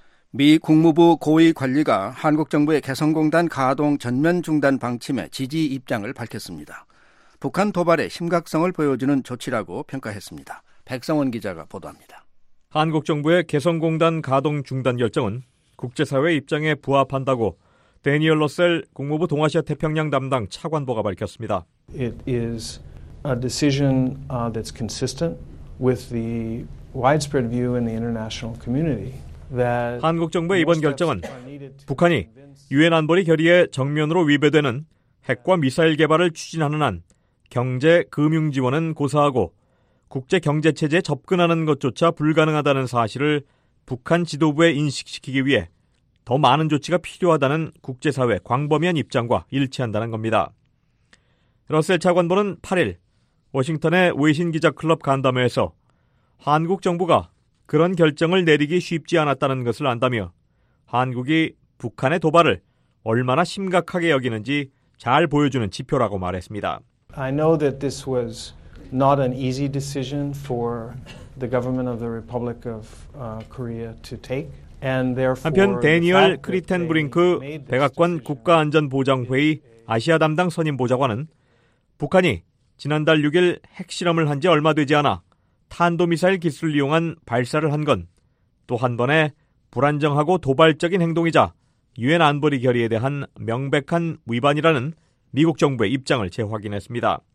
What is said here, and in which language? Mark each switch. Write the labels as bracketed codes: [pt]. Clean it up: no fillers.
[ko] 미 국무부 고위 관리가 한국 정부의 개성공단 가동 전면 중단 방침에 지지 입장을 밝혔습니다. 북한 도발의 심각성을 보여주는 조치라고 평가했습니다. 백성원 기자가 보도합니다. 한국 정부의 개성공단 가동 중단 결정은 국제사회 입장에 부합한다고 대니얼 러셀 국무부 동아시아 태평양 담당 차관보가 밝혔습니다. [en] It is a decision that's consistent with the widespread view in the international community. [ko] 한국 정부의 이번 결정은 북한이 유엔 안보리 결의에 정면으로 위배되는 핵과 미사일 개발을 추진하는 한 경제 금융 지원은 고사하고 국제 경제 체제에 접근하는 것조차 불가능하다는 사실을 북한 지도부에 인식시키기 위해 더 많은 조치가 필요하다는 국제사회 광범위한 입장과 일치한다는 겁니다. 러셀 차관보는 8일 워싱턴의 외신 기자 클럽 간담회에서 한국 정부가 그런 결정을 내리기 쉽지 않았다는 것을 안다며 한국이 북한의 도발을 얼마나 심각하게 여기는지 잘 보여주는 지표라고 말했습니다. [en] I know that this was not an easy decision for the government of the Republic of Korea to take. And therefore, [ko] 한편 대니얼 크리텐브링크 백악관 국가안전보장회의 아시아 담당 선임 보좌관은 북한이 지난달 6일 핵실험을 한 지 얼마 되지 않아 탄도미사일 기술을 이용한 발사를 한 건 또 한 번의 불안정하고 도발적인 행동이자 유엔 안보리 결의에 대한 명백한 위반이라는 미국 정부의 입장을 재확인했습니다.